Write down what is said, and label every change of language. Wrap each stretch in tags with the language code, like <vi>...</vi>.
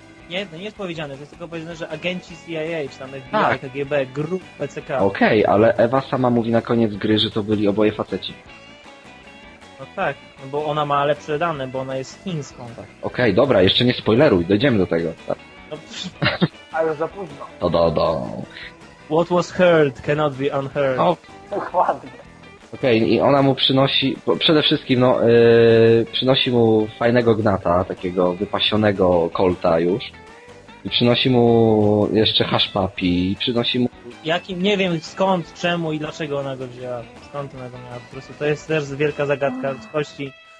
<pl>Nie, to nie jest powiedziane, to jest tylko powiedziane, że agenci CIA, czy tam FBI, tak. KGB, GRU, PCK. Okej, okay, ale Ewa sama mówi na koniec gry, że to byli oboje faceci. No tak, no bo ona ma lepsze dane, bo ona jest chińską. Tak. Okej, okay, dobra, jeszcze nie spoileruj, dojdziemy do tego. Tak. No, a już za późno. To do.</pl> <en>What was heard cannot be unheard.</en> <pl>No. Dokładnie. Okej, okay, i ona mu przynosi, przede wszystkim, no, przynosi mu fajnego gnata, takiego wypasionego kolta już. I przynosi mu jeszcze hasz papi, i przynosi mu... Jakim, nie wiem skąd, czemu i dlaczego ona go wzięła, skąd ona go miała, po prostu to jest też wielka zagadka ludzkości.</pl>